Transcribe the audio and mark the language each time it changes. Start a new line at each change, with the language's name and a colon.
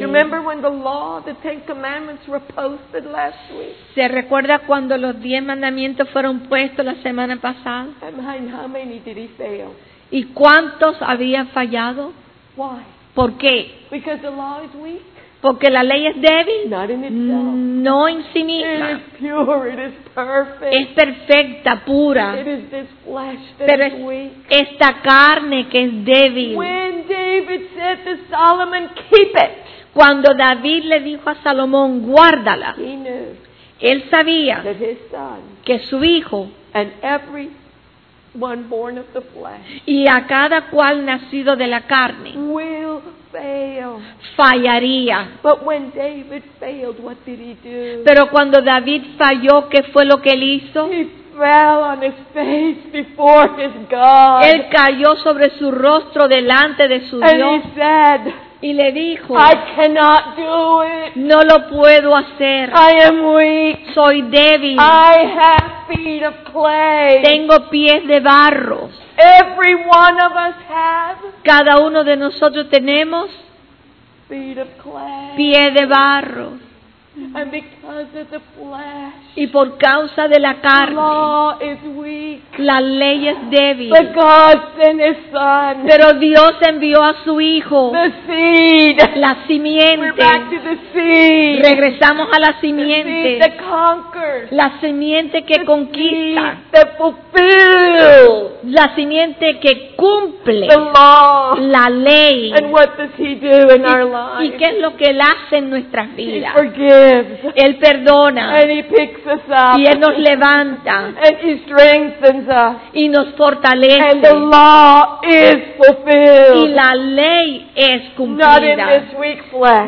English: Remember when the law, the Ten Commandments, were posted last week?
Spanish: ¿Se recuerda cuando los 10 mandamientos fueron puestos la semana pasada?
English: And how many did he fail?
Spanish: ¿Y cuántos habían fallado?
English: Why?
Spanish: ¿Por qué?
English: Because the law is weak.
Spanish: Porque la ley es débil.
English: Not in itself.
Spanish: No en sí misma.
English: It is pure, it is perfect.
Spanish: Es perfecta, pura.
English: It is this flesh that
Spanish: pero
English: is weak.
Spanish: Esta carne que es débil.
English: When David said to Solomon, keep it.
Spanish: Cuando David le dijo a Salomón, guárdala.
English: He knew.
Spanish: Él sabía
English: that his son
Spanish: que su hijo
English: and every one born of the flesh
Spanish: y a cada cual nacido de la carne
English: will fail.
Spanish: Fallaría.
English: But when David failed, what did he do?
Spanish: Pero cuando David falló, ¿qué fue lo que él hizo?
English: He fell on his face before his God.
Spanish: Él cayó sobre su rostro delante de su
English: and
Spanish: Dios.
English: He said,
Spanish: y le dijo,
English: I cannot do it.
Spanish: No lo puedo hacer.
English: I am weak.
Spanish: Soy débil.
English: I have feet of clay.
Spanish: Tengo pies de barro.
English: Every one of us have.
Spanish: Cada uno de nosotros tenemos
English: feet of clay.
Spanish: Pie de barro.
English: And because of the flesh,
Spanish: y por causa de la carne,
English: the law is weak.
Spanish: La ley es débil.
English: But God sent His Son.
Spanish: Pero Dios envió a su hijo.
English: The seed.
Spanish: La simiente.
English: We're back to the seed.
Spanish: Regresamos a la simiente.
English: The seed that conquers.
Spanish: La simiente que
English: the
Spanish: conquista.
English: Seed that fulfills.
Spanish: La simiente que cumple.
English: The law.
Spanish: La ley.
English: And what does He do in our lives?
Spanish: ¿Y qué es lo que Él hace en nuestras vidas? Él perdona
English: and he picks us up,
Spanish: y Él nos levanta
English: and he strengthens us,
Spanish: y nos fortalece
English: and the law is fulfilled,
Spanish: y la ley es cumplida
English: not in this weak flesh,